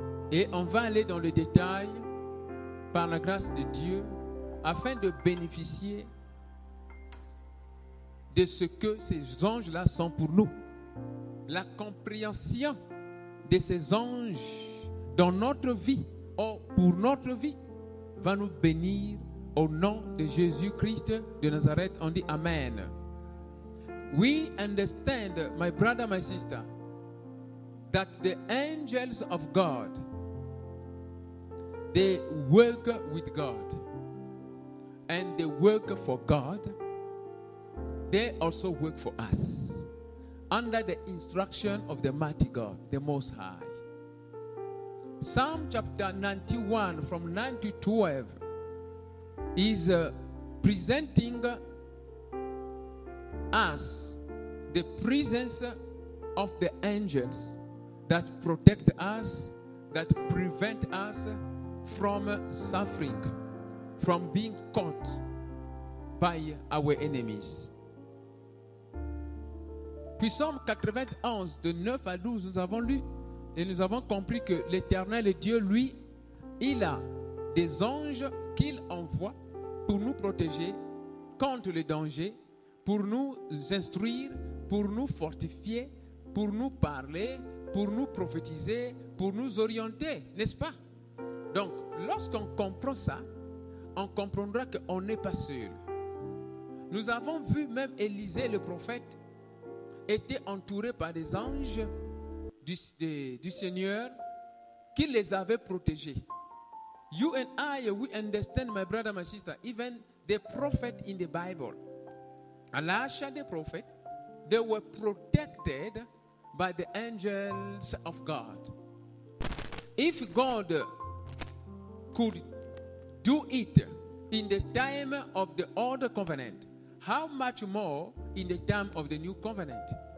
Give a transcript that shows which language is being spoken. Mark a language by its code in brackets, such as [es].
[fr] Et on va aller dans le détail par la grâce de Dieu afin de bénéficier de ce que ces anges-là sont pour nous. La compréhension de ces anges dans notre vie, oh, pour notre vie, va nous bénir au nom de Jésus-Christ de Nazareth. On dit Amen. [en] We understand, my brother, my sister, that the angels of God, they work with God. And they work for God. They also work for us. Under the instruction of the mighty God, the Most High. Psalm chapter 91 from 9 to 12 is presenting us the presence of the angels that protect us, that prevent us from suffering, from being caught by our enemies. [fr] Puis Psaume 91, de 9 à 12, nous avons lu et nous avons compris que l'Éternel Dieu, lui, il a des anges qu'il envoie pour nous protéger contre les dangers, pour nous instruire, pour nous fortifier, pour nous parler, pour nous prophétiser, pour nous orienter, n'est-ce pas? Donc, lorsqu'on comprend ça, on comprendra qu'on n'est pas seul. Nous avons vu même Élisée, le prophète, était entouré par des anges du Seigneur qui les avaient protégés. [en] You and I, we understand, my brother, my sister, even the prophets in the Bible, Elisha the prophet, they were protected by the angels of God. If God could do it in the time of the old covenant, how much more in the time of the new covenant?